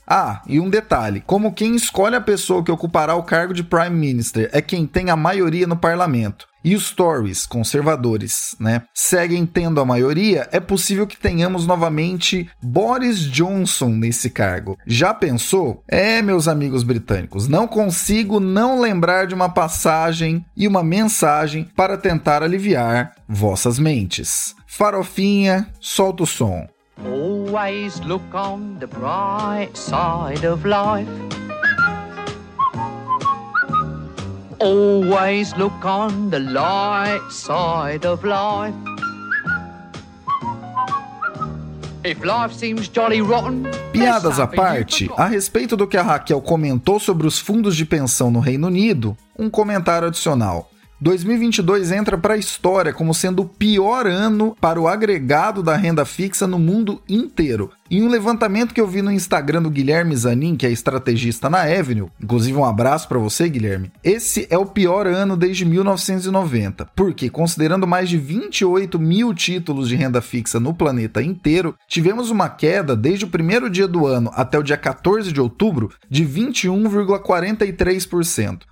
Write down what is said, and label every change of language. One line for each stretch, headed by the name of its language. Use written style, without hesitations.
Portuguese: Ah, e um detalhe, como quem escolhe a pessoa que ocupará o cargo de Prime Minister é quem tem a maioria no parlamento, e os Tories, conservadores, né, seguem tendo a maioria, é possível que tenhamos novamente Boris Johnson nesse cargo. Já pensou? Meus amigos britânicos, não consigo não lembrar de uma passagem e uma mensagem para tentar aliviar vossas mentes. Farofinha, solta o som.
English: Always look on the bright side of life. Always look on the light side of life. If life seems jolly rotten.
Portuguese: Piadas à parte, a respeito do que a Raquel comentou sobre os fundos de pensão no Reino Unido, um comentário adicional. 2022 entra para a história como sendo o pior ano para o agregado da renda fixa no mundo inteiro. Em um levantamento que eu vi no Instagram do Guilherme Zanin, que é estrategista na Avenue, inclusive um abraço para você, Guilherme, esse é o pior ano desde 1990, porque, considerando mais de 28 mil títulos de renda fixa no planeta inteiro, tivemos uma queda desde o primeiro dia do ano até o dia 14 de outubro de 21,43%.